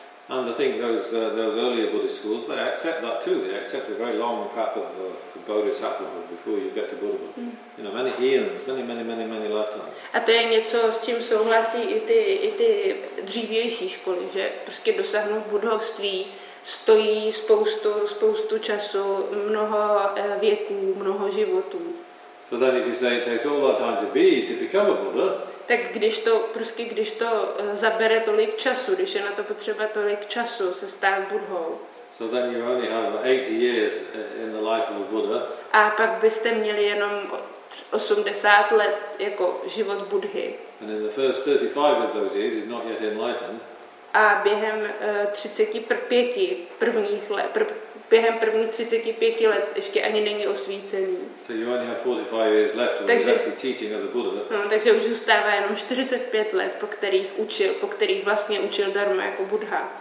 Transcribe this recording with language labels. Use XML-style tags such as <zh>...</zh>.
<en>And I think those earlier Buddhist schools, they accept that too. They accept a very long path of bodhisattva before you get to Buddha. Mm. You know, many eons, many lifetimes.</en> <cs>A to je něco, s čím souhlasí i ty dřívější školy, že prostě dosáhnout buddhovství stojí spoustu času, mnoho věků, mnoho životů.</cs> <en>So then if you say it takes all that time to become a Buddha,</en> <cs>tak když to zabere tolik času, když je na to potřeba tolik času se stát Buddhou.</cs> <en>So then you only have 80 years in the life of a Buddha.</en> <cs>A pak byste měli jenom 80 let jako život Buddhy.</cs> <en>And in the first 35 of those years, he's not yet enlightened.</en> <cs>A během 35 prvních let, během prvních 35 let ještě ani není osvícený.</cs> <en>So you only have 45 years left when he's actually teaching as a Buddha.</en> <cs>No, takže už zůstává jenom 45 let, po kterých vlastně učil darma jako Buddha.</cs>